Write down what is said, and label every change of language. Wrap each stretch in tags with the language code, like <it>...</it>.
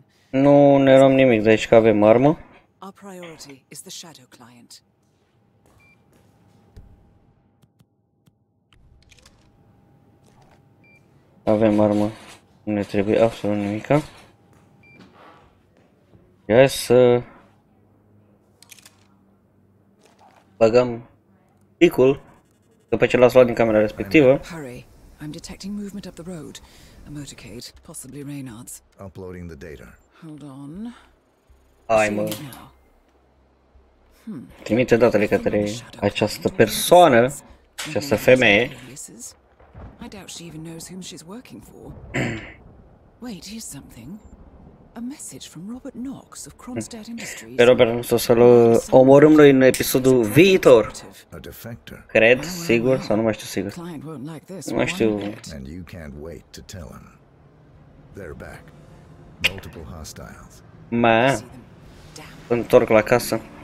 <ro>Nu ne luăm nimic de aici că avem armă.</ro> <en>Our priority is the shadow client.</en> <ro>Avem armă, nu ne trebuie absolut nimica. Hai să băgăm picul după ce l-ați luat din camera respectivă.</ro> <en>Hurry, I'm detecting movement up the road. A motorcade, possibly Reynard's. Uploading the data. Hold on.</en> <ro>Hai mă. Trimite datele către această persoană, această femeie.</ro> <en>I doubt she even knows whom she's working for. Wait, here's something. A message from Robert Knox of Kronstadt Industries.</en> <ro>Pe Robert Knox o să-l omorâm noi în episodul viitor. Cred, sigur, sau nu mai știu sigur. Nu mai știu.</ro> <en>And you can't wait to tell him. They're back. Multiple hostiles.</en> <ro>Mă întorc la casă.</ro>